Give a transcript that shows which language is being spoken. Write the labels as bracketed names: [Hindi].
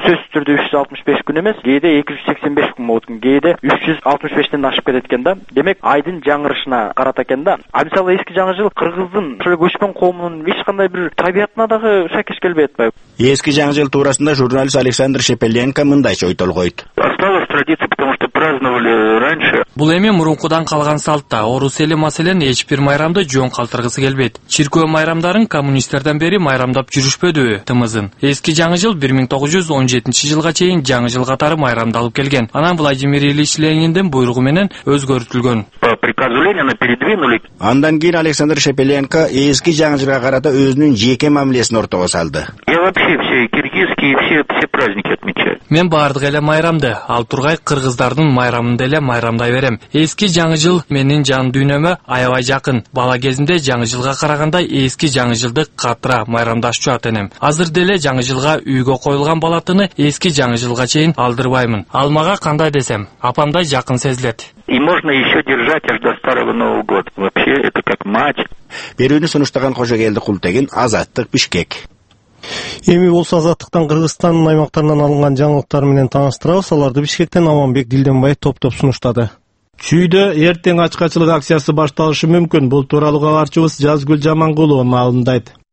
[Kyrgyz] Сөзсүз түрдө 365 күн эмес, кээде 285 күн болот экен, кээде 365 ашып кетет экен да. Демек айдын жаңырышына карата экен да. А мисалы эски жаңы жыл кыргыздын ошол көчмөн коомунун эч кандай бир табиятына дагы шакеш келбей атпайбы? Эски жаңы жыл туурасында журналист Александр Шепеленко мындайча ой толгойт. [Russian] Осталось традиция, потому что праздновали раньше. [Kyrgyz] Бул эми мурункудан калган салт да. Орус эли маселен эч бир майрамды жөн калтыргысы келбейт. Чиркөө майрамдарын коммунисттерден бери майрамдап жүрүшпөдүбү тымызын? Эски жаңы жыл 1917 жылга чейин жаңы жыл катары майрамдалып келген. Анан Владимир Ильич Лениндин буйругу менен өзгөртүлгөн. [Russian] По приказу Ленина передвинули. [Kyrgyz] Андан кийин Александр Шепеленко эски жаңы жылга карата өзүнүн жеке мамилесин ортого салды. [Russian] Я вообще все киргизские все праздники отмечаю. [Kyrgyz] Мен баардык эле майрамды, ал тургай кыргыздардын майрамын деле майрамдай берем. Эски жаңы жыл менин жан дүйнөмө аябай жакын. Бала кезимде жаңы жылга караганда эски жаңы жылды катыра майрамдашчу ата энем. Азыр деле жаңы жылга үйгө коюлган балатыны эски жаңы жылга чейин алдырбаймын. Ал мага кандай десем, апамдай жакын сезилет. [Russian] И можно еще держать аж до старого Нового года. Вообще это как мать. [Kyrgyz] Берүүнү сунуштаган Кожогелди Култегин, Азаттык, Бишкек. Эми болсо Азаттыктан Кыргызстандын аймактарынан алынган жаңылыктар менен тааныштырабыз. Аларды Бишкектен Аманбек Дилденбаев топтоп сунуштады. Чүйдө эртең ачкачылык акциясы башталышы мүмкүн. Бул тууралуу кабарчыбыз Жазгүл Жаманкулова маалымдайт.